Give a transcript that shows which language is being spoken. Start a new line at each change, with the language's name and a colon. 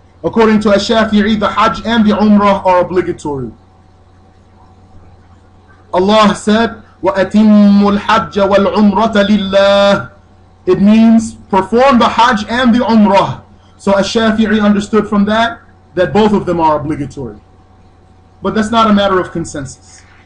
English: According to Ash-Shafi'i, the Hajj and the Umrah are obligatory. Allah said,
Arabic: وَأَتِمُّ الْحَجَّ وَالْعُمْرَةَ لِلَّهِ.
English: It means perform the Hajj and the Umrah. So Ash-Shafi'i understood from that that both of them are obligatory. But that's not a matter of consensus.